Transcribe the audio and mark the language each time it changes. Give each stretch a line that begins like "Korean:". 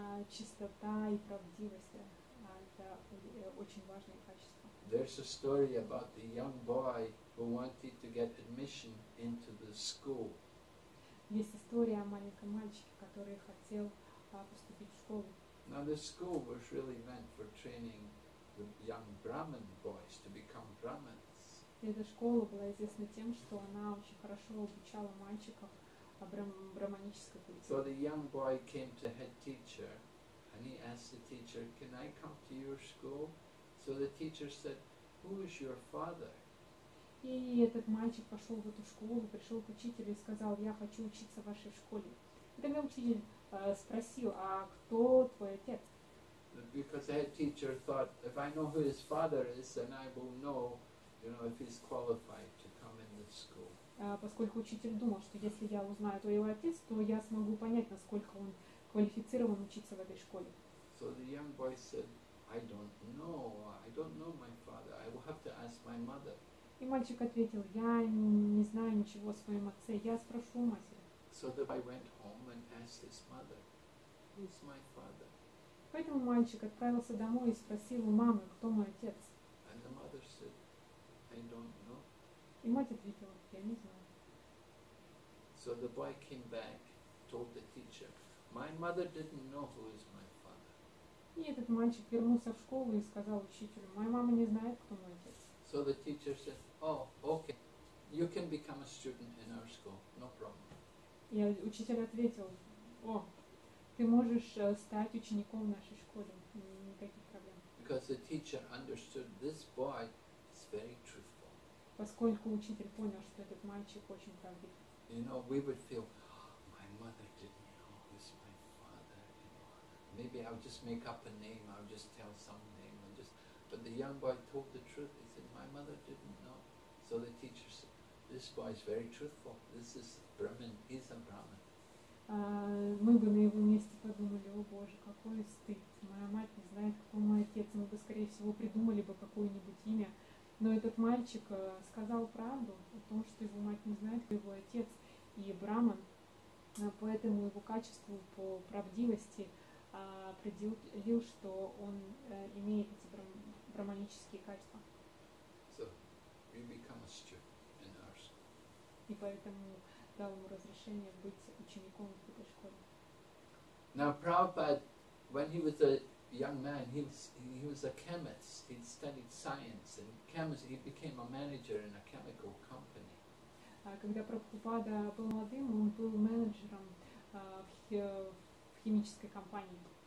Russian: Чистота и правдивость это очень важные качества.
English: There's a story about the young boy who wanted to get admission into the school.
Russian: Есть история о маленьком мальчике, который хотел поступить в школу.
English: Now the school was really meant for training the young Brahmin boys to become Brahmins.
Russian: Эта школа была известна тем, что она очень хорошо обучала мальчиков брахманической культуре.
English: So the young boy came to head teacher and he asked the teacher, "Can I come to your school?" So the teacher said, "Who is your father?"
Russian: И этот мальчик пошел в эту школу, пришел к учителю и сказал, "Я хочу учиться в вашей школе." Тогда учитель спросил, "А кто твой отец?"
English: Because the head teacher thought, "If I know who his father is, then I will know, you know, if he's qualified to come in the school."
Russian: Поскольку учитель думал, что если я узнаю твоего отца, то я смогу понять, насколько он квалифицирован учиться в этой школе.
English: So the young boy said, "I don't know. I don't know my father. I will have to ask my mother."
Russian: И мальчик ответил, "Я не знаю ничего о своем отце. Я спрошу матери."
English: So the boy went home and asked his mother, "Who is my father?"
Russian: Поэтому мальчик отправился домой и спросил у мамы, кто мой отец.
English: And the mother said, "I don't know."
Russian: И мать ответила, "Я не знаю."
English: So the boy came back, told the teacher, "My mother didn't know who is my father."
Russian: И этот мальчик вернулся в школу и сказал учителю, "Моя мама не знает, кто мой отец."
English: So the teacher said, "Oh, okay. You can become a student in our school. No problem."
Russian: И учитель ответил, "О, ты можешь стать учеником в нашей школе. Никаких проблем."
English: Because the teacher understood this boy is very truthful.
Russian: Поскольку учитель понял, что этот мальчик очень правдив.
English: You know, we would feel, "Oh, my mother didn't know who's my father. Maybe I'll just make up a name. I'll just tell some name and just." But the young boy told the truth. He said, "My mother didn't know." So the teacher said, "This boy is very truthful. This is Brahmin. He's a Brahmin."
Russian: Мы бы на его месте подумали, о боже, какой стыд. Моя мать не знает, кто мой отец. Мы бы, скорее всего, придумали бы какое-нибудь имя. Но этот мальчик сказал правду о том, что его мать не знает, кто его отец и Брахман. Поэтому его качеству по правдивости определил, что он имеет эти брахманические качества.
English: So, you become a student in our school.
Russian: И поэтому дал ему разрешение быть учеником в этой школе.
English: Now, Prabhupada, when he was a young man, he was a chemist. He studied science and chemistry. He became a manager in a chemical company.
Russian: Когда Прабхупада был молодым, он был менеджером в химической компании.